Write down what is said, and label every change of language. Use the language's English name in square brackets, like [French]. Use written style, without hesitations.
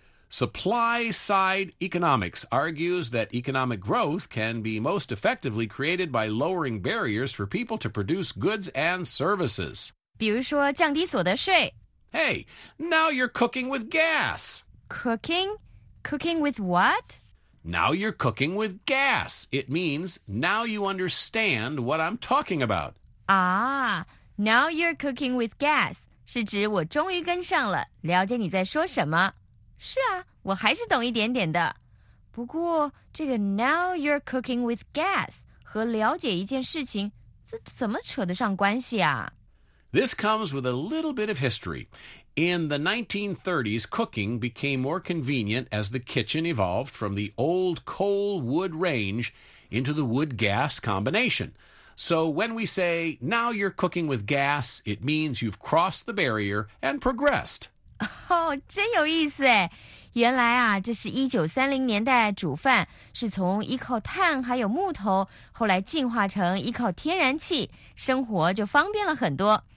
[English] Supply side economics argues that economic growth can be most effectively created by lowering barriers for people to produce goods and services. [Chinese] 比如说降低所得税。 [English] Hey, now you're cooking with gas. Cooking? Cooking with what? Now you're cooking with gas. It means now you understand what I'm talking about. Ah, now you're cooking with gas. [Chinese] 是指我终于跟上了，了解你在说什么。是啊，我还是懂一点点的。不过这个 [English] now you're cooking with gas [Chinese] 和了解一件事情，这怎么扯得上关系啊？ [English] This comes with a little bit of history. In the 1930s, cooking became more convenient as the kitchen evolved from the old coal wood range into the wood gas combination. So when we say, now you're cooking with gas, it means you've crossed the barrier and progressed. [Chinese] Oh, 真有意思哎。原来啊，这是1930年代煮饭是从依靠碳还有木头，后来进化成依靠天然气，生活就方便了很多。